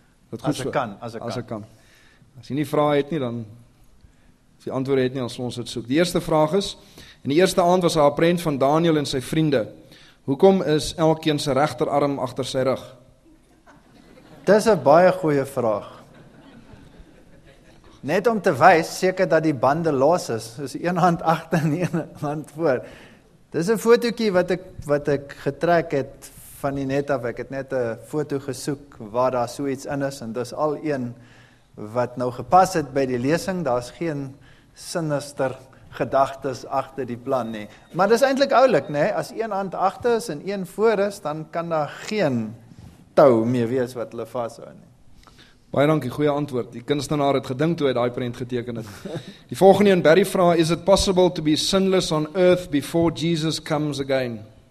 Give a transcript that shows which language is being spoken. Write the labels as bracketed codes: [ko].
[af] Dit goed as ek kan, as ek kan. As ek kan. As jy nie vrae het nie, dan as jy antwoorde het nie, dan sal ons dit soek. Die eerste vraag is, in die eerste aand was daar 'n prent van Daniel en sy vriende. Hoekom is elkeen sy regterarm agter sy rug? Dis 'n baie goeie vraag. Net om te wys, seker dat die bande los is, is een hand agter en een hand voor. Dis 'n fotootjie wat ek getrek het van die net af. Ek het net 'n foto gesoek waar daar so iets in is, en dis al een wat nou gepas het by die lesing. Daar's geen sinister gedagtes agter die plan nie. Maar dis eintlik oulik, nê? As een hand agter is en een voor is, dan kan daar geen tou mee wees wat hulle vashou nie. Baie dankie, goeie antwoord. Die kunstenaar het gedink toe hy daai prent geteken het. Die volgende een, Barry vra, [en] is it possible to be sinless on earth before Jesus comes again?